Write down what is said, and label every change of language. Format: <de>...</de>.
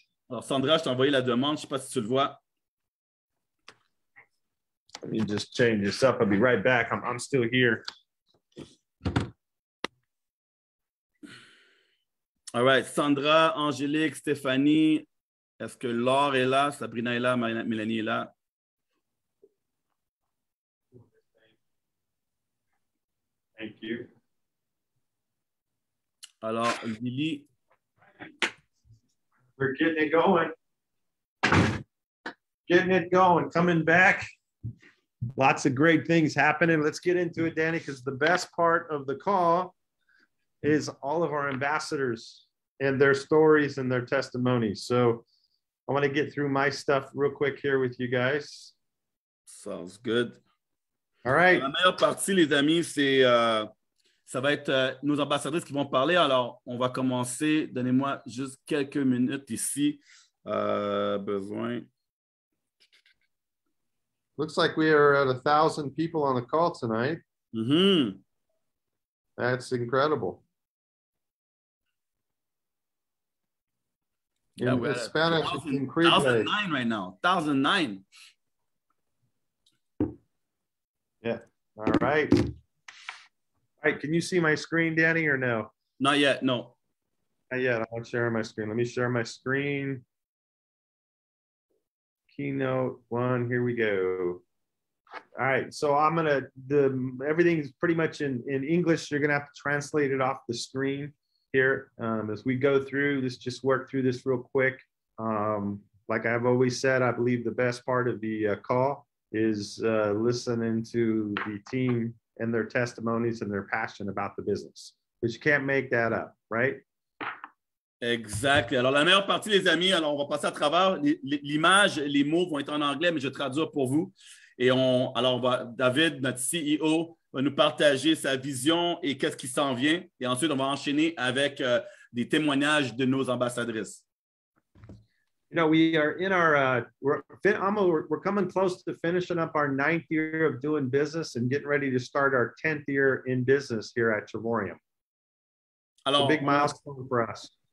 <fr>Alors Sandra, je t'ai envoyé la demande. Je ne sais pas si tu le vois.</fr> <en>Let me just change this up. I'll be right back. I'm still here. All right.</en> <fr>Sandra, Angélique, Stéphanie. Est-ce que Laure est là? Sabrina est là? Mélanie est là?</fr> <en>Thank you.</en> <fr>Alors, Lily.</fr> <en>We're getting it going. Coming back. Lots of great things happening. Let's get into it, Danny, because the best part of the call is all of our ambassadors and their stories and their testimonies. So I want to get through my stuff real quick here with you guys. Sounds good. All right.</en> <fr>La meilleure partie, les amis, c'est ça va être nos ambassadrices qui vont parler. Alors, on va commencer. Donnez-moi juste quelques minutes ici. Besoin.</fr> <en>Looks like we are at 1,000 people on the call tonight. Mm-hmm. That's incredible. Yeah, we're in Spanish, 1,009 right now. 1,009. Yeah. All right. Can you see my screen, Danny, or no? Not yet. No. Not yet. I'm not sharing my screen. Let me share my screen. Keynote one, here we go. All right, so I'm gonna, everything is pretty much in English. You're gonna have to translate it off the screen here. As we go through, let's just work through this real quick. Like I've always said, I believe the best part of the call is listening to the team and their testimonies and their passion about the business, but you can't make that up, right?</en> <fr>Exact. Alors, la meilleure partie, les amis, alors on va passer à travers l'image, les mots vont être en anglais, mais je traduis pour vous. Et David, notre CEO, va nous partager sa vision et qu'est-ce qui s'en vient. Et ensuite, on va enchaîner avec des témoignages de nos ambassadrices.</fr> <en>You know, we are in our, we're coming close to finishing up our ninth year of doing business and getting ready to start our 10th year in business here at Trevorium.</en> <fr>Alors,</fr> <en>it's a big milestone for us.</en>